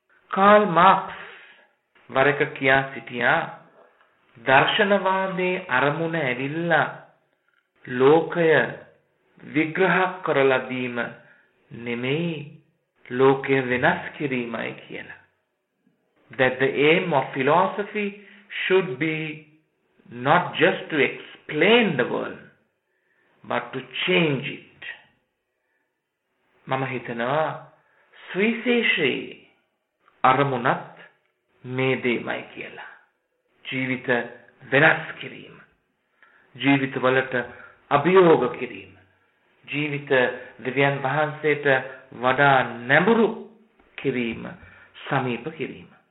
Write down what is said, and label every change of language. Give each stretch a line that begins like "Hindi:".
Sinhala: Karl Marx වරක කියා සිටියා, දර්ශනවාදයේ අරමුණ ඇවිල්ලා ලෝකය විග්‍රහ කරලා දීම නෙමෙයි, ලෝකය වෙනස් කිරීමයි කියලා.
English: That the aim of philosophy should be not just to explain the world, but to change it.
Sinhala: මම හිතනවා සුවිශේෂයේ අරමුණත් මේ දේමයි කියලා. ජීවිත වෙනස් කිරීම, ජීවිතවලට අභියෝග කිරීම, ජීවිත දෙවියන් වහන්සේට වඩා නැඹුරු කිරීම, සමීප කිරීම.